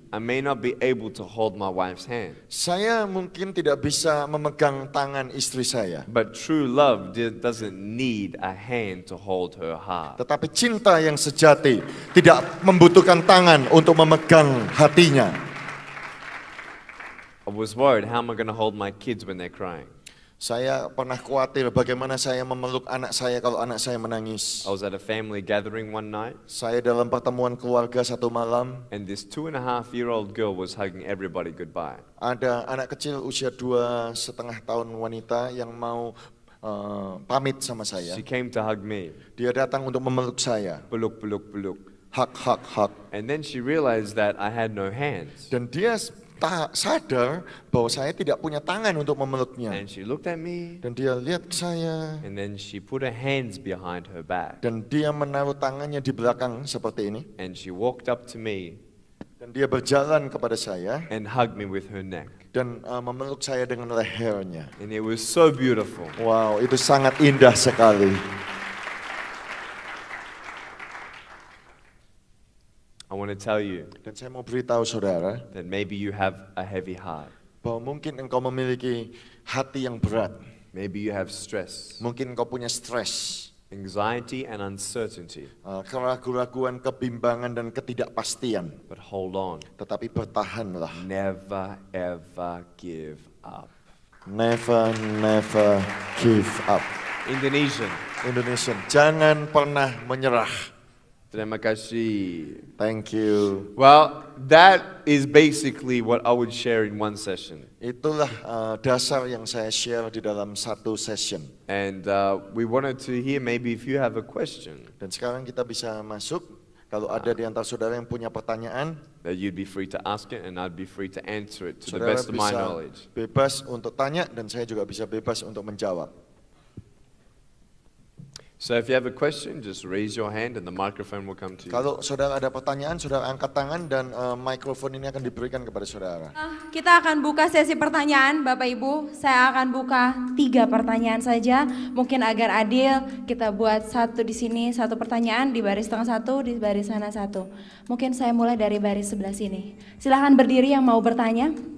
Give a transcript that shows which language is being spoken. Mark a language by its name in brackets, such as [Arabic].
[English] I may not be able to hold my wife's hand. [Indonesian] Saya mungkin tidak bisa memegang tangan istri saya. [English] But true love doesn't need a hand to hold her heart. [Indonesian] Tetapi cinta yang sejati tidak membutuhkan tangan untuk memegang hatinya. [English] I was worried, how am I going to hold my kids when they're crying? [Indonesian] Saya pernah khawatir bagaimana saya memeluk anak saya kalau anak saya menangis. [English] I was at a family gathering one night. [Indonesian] Saya dalam pertemuan keluarga satu malam. [English] And this 2.5-year-old girl was hugging everybody goodbye. [Indonesian] Ada anak kecil usia 2.5 tahun wanita yang mau pamit sama saya. [English] She came to hug me. [Indonesian] Dia datang untuk memeluk saya. Peluk, peluk, peluk. [English] Hug, hug, hug. And then she realized that I had no hands. [Indonesian] Dan dia sadar bahwa saya tidak punya tangan untuk memeluknya. [English] And she looked at me. [Indonesian] Dan dia lihat saya. [English] And then she put her hands behind her back. [Indonesian] Dan dia menaruh tangannya di belakang seperti ini. [English] And she walked up to me. [Indonesian] Dan dia berjalan kepada saya. [English] And hugged me with her neck. [Indonesian] Dan memeluk saya dengan lehernya. [English] And it was so beautiful. [Indonesian] Wow, itu sangat indah sekali. [English] I want to tell you. [Indonesian] Dan saya mau beritahu saudara. [English] That maybe you have a heavy heart. [Indonesian] Bahwa mungkin engkau memiliki hati yang berat. [English] Maybe you have stress. [Indonesian] Mungkin engkau punya stress. [English] Anxiety and uncertainty. [Indonesian] Keraguan, kebimbangan dan ketidakpastian. [English] But hold on. [Indonesian] Tetapi bertahanlah. [English] Never ever give up. Never never give up. Indonesian. Indonesian. [Indonesian] Jangan pernah menyerah. Terima kasih. [English] Thank you. Well, that is basically what I would share in one session. [Indonesian] Itulah dasar yang saya share di dalam satu session. [English] And we wanted to hear maybe if you have a question. [Indonesian] Dan sekarang kita bisa masuk. Kalau ada di antara saudara yang punya pertanyaan, [English] that you'd be free to ask it and I'd be free to answer it to the best of my knowledge. [Indonesian] Saudara bisa bebas untuk tanya dan saya juga bisa bebas untuk menjawab. [English] So if you have a question, just raise your hand and the microphone will come to you. [Indonesian] Kalau saudara ada pertanyaan, saudara angkat tangan dan microphone ini akan diberikan kepada saudara. Kita akan buka sesi pertanyaan, Bapak Ibu. Saya akan buka 3 pertanyaan saja. Mungkin agar adil, kita buat 1 di sini, 1 pertanyaan, di baris tengah 1, di baris sana 1. Mungkin saya mulai dari baris sebelah sini. Silakan berdiri yang mau bertanya.